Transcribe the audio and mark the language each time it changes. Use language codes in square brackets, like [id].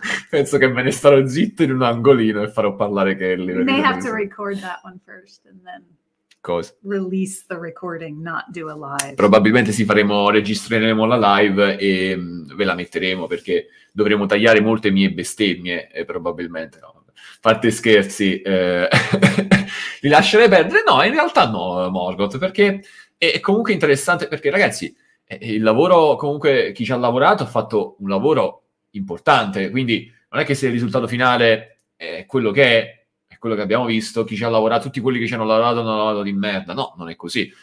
[it] Penso che me ne starò zitto in un angolino e farò parlare Kelly. [en] You may have to record that one first and then... [it] Cosa? [en] Release the recording, not do a live. [it] Probabilmente sì, registreremo la live e ve la metteremo, perché dovremo tagliare molte mie bestemmie e probabilmente no. Fate scherzi, li lascerei perdere? No, in realtà no, Morgoth, perché è comunque interessante, perché ragazzi, il lavoro, comunque chi ci ha lavorato ha fatto un lavoro importante, quindi non è che se il risultato finale è quello che è, quello che abbiamo visto, chi ci ha lavorato, tutti quelli che ci hanno lavorato hanno lavorato di merda, no, non è così.